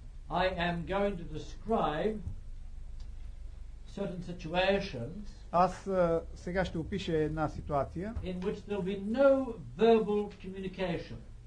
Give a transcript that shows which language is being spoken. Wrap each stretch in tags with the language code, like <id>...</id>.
<en>I am going to describe certain situations.</en> <bg>Аз сега ще опиша една ситуация,</bg> <en>in which there will be no verbal communication.</en>